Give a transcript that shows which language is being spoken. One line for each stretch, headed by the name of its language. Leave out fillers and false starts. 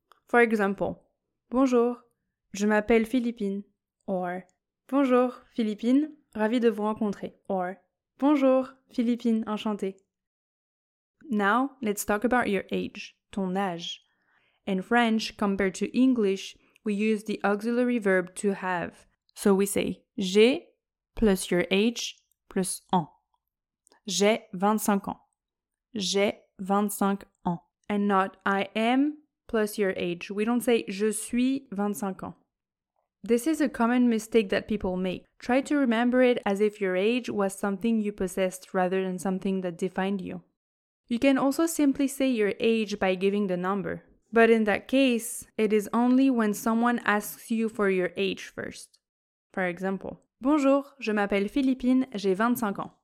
English: For example,
French: bonjour, je m'appelle Philippine, or bonjour Philippine, ravie de vous rencontrer, or bonjour Philippine, enchantée.
English: Now, let's talk about your age,
French: ton âge.
English: In French, compared to English, we use the auxiliary verb to have. So we say
French: j'ai
English: plus your age plus ans.
French: J'ai 25 ans. J'ai 25 ans.
English: And not I am plus your age. We don't say
French: je suis 25 ans.
English: This is a common mistake that people make. Try to remember it as if your age was something you possessed rather than something that defined you. You can also simply say your age by giving the number. But in that case, it is only when someone asks you for your age first. For example,
French: bonjour, je m'appelle Philippine, j'ai 25 ans.